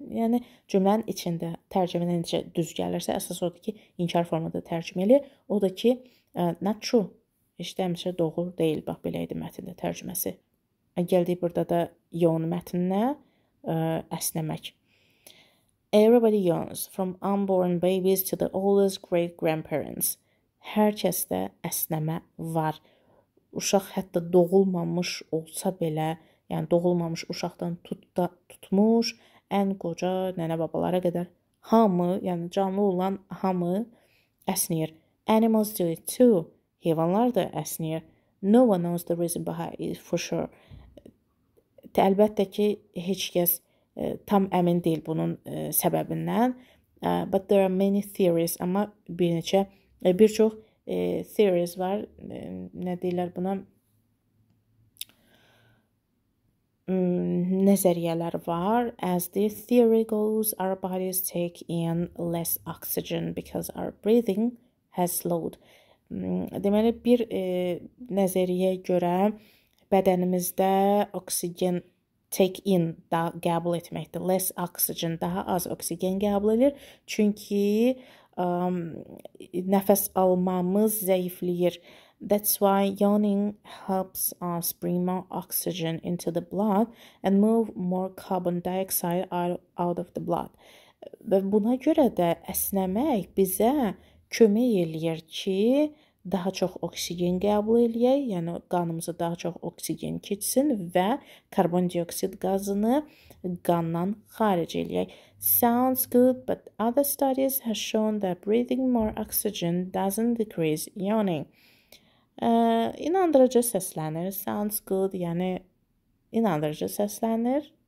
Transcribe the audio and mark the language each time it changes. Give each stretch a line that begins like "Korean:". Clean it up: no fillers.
Azerbaijani: Yəni cümlənin içində tərcümə necə düz gəlirsə, əsas odur ki, inkar formada tərcümə eləyir. O da ki,
English: not true.
Azerbaijani: Heç də həmişə doğru deyil. Bax belə idi mətnin tərcüməsi. Gəldik burada da yoğun mətninə əsnəmək.
English: Everybody yawns, from unborn babies to the oldest great grandparents.
Azerbaijani: Herkəsdə əsnəmə var. Uşaq hətta doğulmamış olsa belə, yəni doğulmamış uşaqdan tutmuş ən qoca nənə babalara qədər hamı, yəni canlı olan hamı əsnəyir.
English: Animals do it too.
Azerbaijani: Heyvanlar da əsnəyir.
English: No one knows the reason behind it for sure.
Azerbaijani: Əlbəttə ki, heç kəs tam əmin deyil bunun səbəbindən.
English: But there are many theories.
Azerbaijani: Amma bir çox
English: theories var.
Azerbaijani: Nə deyirlər buna? Nəzəriyyələr var.
English: As the theory goes, our bodies take in less oxygen because our breathing has slowed.
Azerbaijani: Deməli, bir nəzəriyyəyə görə bədənimizdə oksigen
English: take in,
Azerbaijani: daha qəbul etməkdir.
English: Less oxygen,
Azerbaijani: daha az oksigen qəbul edir. Çünki nəfəs almamız zəifləyir.
English: That's why yawning helps us bring more oxygen into the blood and move more carbon dioxide out of the blood.
Azerbaijani: Və buna görə də əsnəmək bizə kömək eləyir ki, daha çox oksigen qəbul eləyək, yəni qanımıza daha çox oksigen keçsin və karbon dioksid qazını qandan xaric eləyək.
English: Sounds good, but other studies have shown that breathing more oxygen doesn't decrease yawning.
Azerbaijani: İnandırıcı səslənir,
English: sounds good,
Azerbaijani: yəni inandırıcı səslənir.